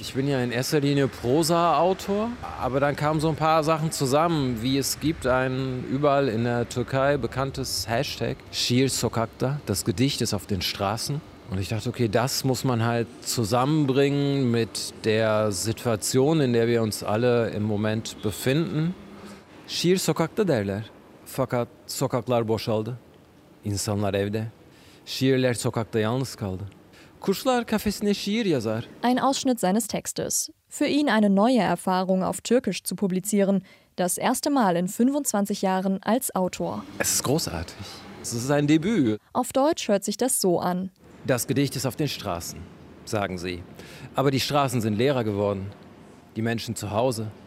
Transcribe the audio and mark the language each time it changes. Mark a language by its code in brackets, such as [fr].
[de] Ich bin ja in erster Linie Prosa-Autor, aber dann kamen so ein paar Sachen zusammen, wie es gibt ein überall in der Türkei bekanntes Hashtag, Şiir Sokakta, das Gedicht ist auf den Straßen. Und ich dachte, okay, das muss man halt zusammenbringen mit der Situation, in der wir uns alle im Moment befinden. [tr] Şiir Sokakta derler, fakat sokaklar boşaldı, insanlar evde, şiirler sokakta yalnız kaldı. Kuşlar kafesine şiir yazar. [de] Ein Ausschnitt seines Textes. Für ihn eine neue Erfahrung auf Türkisch zu publizieren. Das erste Mal in 25 Jahren als Autor. Es ist großartig. Es ist ein Debüt. Auf Deutsch hört sich das so an. Das Gedicht ist auf den Straßen, sagen sie. Aber die Straßen sind leerer geworden. Die Menschen zu Hause.